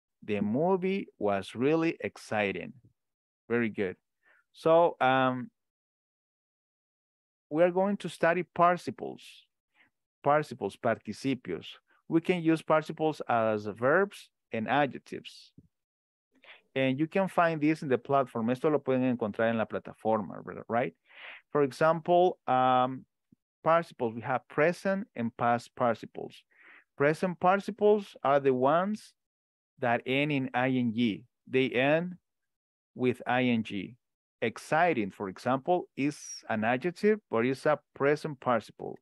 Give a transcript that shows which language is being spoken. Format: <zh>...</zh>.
<en>The movie was really exciting. Very good. So we are going to study participles, participios. We can use participles as verbs and adjectives. And you can find this in the platform.</en> <es>Esto lo pueden encontrar en la plataforma, right?</es> <en>For example, participles, we have present and past participles. Present participles are the ones that end in ing. They end with ing. Exciting, for example, is an adjective, but it's a present participle.</en>